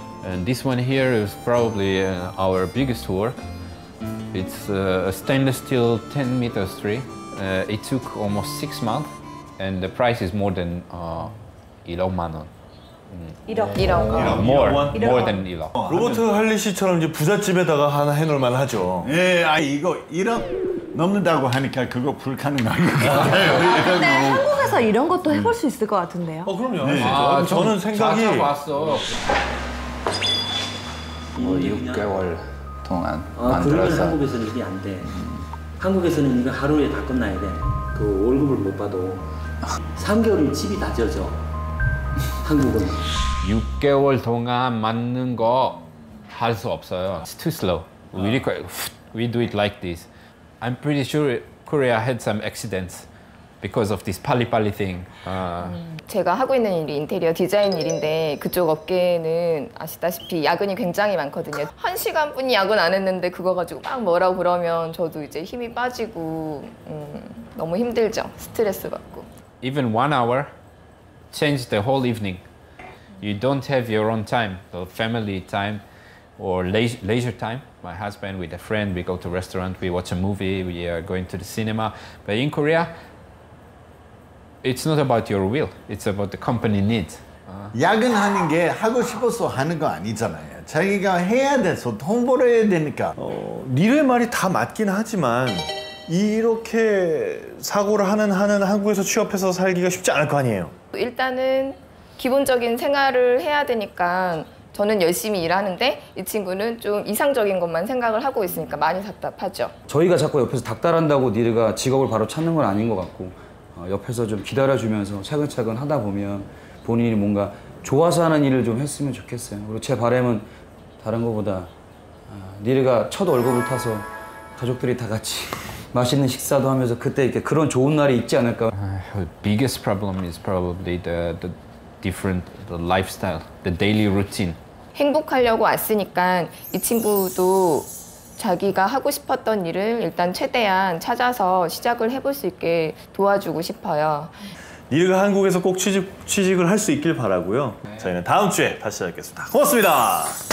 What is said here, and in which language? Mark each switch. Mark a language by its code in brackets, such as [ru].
[en] And this one here is probably our biggest work. It's a stainless steel 10 meters tree. It took almost 6 months and the price is more than 1억만 원. [ko] 1억. [en] 1억. More. 1억 more than 1억. [ko] 로버트 할리시처럼 이제 부잣집에다가 하나 해놓을 만하죠. 예, 아 이거 1억 넘는다고 하니까 그거 불가능한 것 같아요. 아, 근데 한국에서 이런 것도 해볼 수 있을 것 같은데요? 어, 그럼요. 네. 아, 저는 생각이... 자, 봤어. 6개월 동안 아, 만들어서. 한국에서는 일이 안 돼. 한국에서는 이거 하루에 다 끝나야 돼. 그 월급을 못 봐도. 3개월이 집이 다 젖어. 한국은. 6개월 동안 맞는 거 할 수 없어요. [en] It's too slow. We require, we do it like this. I'm pretty sure Korea had some accidents because of this Palipali thing. [ko] 제가 하고 있는 일이 인테리어 디자인 일인데 그쪽 업계는 아시다시피 야근이 굉장히 많거든요. 한 시간뿐이 야근 안 했는데 그거 가지고 막 뭐라고 그러면 저도 이제 힘이 빠지고 너무 힘들죠. 스트레스 받고. [en] Even 1 hour changed the whole evening. You don't have your own time, the family time. Or leisure time, my husband with a friend, we go to a restaurant, we watch a movie, we are going to the cinema. But in Korea, it's not about your will, it's about the company needs. [ko] 야근하는 게 하고 싶어서 하는 거 아니잖아요. 자기가 해야 돼서 통보를 해야 되니까. 니르의 말이 다 맞긴 하지만 이렇게 사고를 하는 한은 한국에서 취업해서 살기가 쉽지 않을 거 아니에요. 일단은 기본적인 생활을 해야 되니까 저는 열심히 일하는데 이 친구는 좀 이상적인 것만 생각을 하고 있으니까 많이 답답하죠. 저희가 자꾸 옆에서 닥달한다고 니르가 직업을 바로 찾는 건 아닌 것 같고 옆에서 좀 기다려주면서 차근차근 하다 보면 본인이 뭔가 좋아서 하는 일을 좀 했으면 좋겠어요. 그리고 제 바람은 다른 것보다 니르가 첫 월급을 타서 가족들이 다 같이 맛있는 식사도 하면서 그때 이렇게 그런 좋은 날이 있지 않을까. [en] The biggest problem is probably the different the lifestyle, the daily routine. [ko] 행복하려고 왔으니까 이 친구도 자기가 하고 싶었던 일을 일단 최대한 찾아서 시작을 해볼 수 있게 도와주고 싶어요. 니르가 한국에서 꼭 취직을 할 수 있길 바라고요. 네. 저희는 다음 주에 다시 찾아뵙겠습니다. 고맙습니다.